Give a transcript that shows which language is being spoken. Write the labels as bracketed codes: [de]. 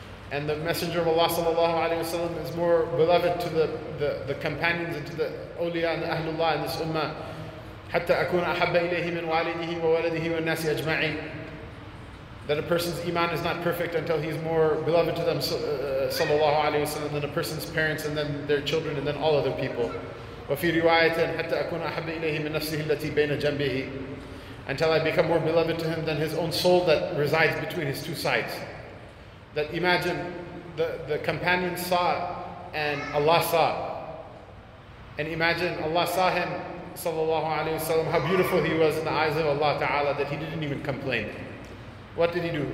[en] And the Messenger of Allah sallallahu alayhi wa sallam is more beloved to the companions and to the awliya and the ahlullah in this ummah. [ar] حَتَّى أَكُونَ أَحَبَّ إِلَيْهِ مِنْ وَالِدِهِ وَوَلَدِهِ وَالنَّاسِ أَجْمَعِينَ. [en] That a person's iman is not perfect until he's more beloved to them, sallallahu alayhi wa sallam, than a person's parents and then their children and then all other people. [ar] وفي رواية حتى أكون أحب إليه من نفسه التي بين جنبه. [en] Until I become more beloved to him than his own soul that resides between his two sides. That imagine the companion saw and Allah saw. And imagine Allah saw him, sallallahu alayhi wa sallam, how beautiful he was in the eyes of Allah Ta'ala, that he didn't even complain. What did he do?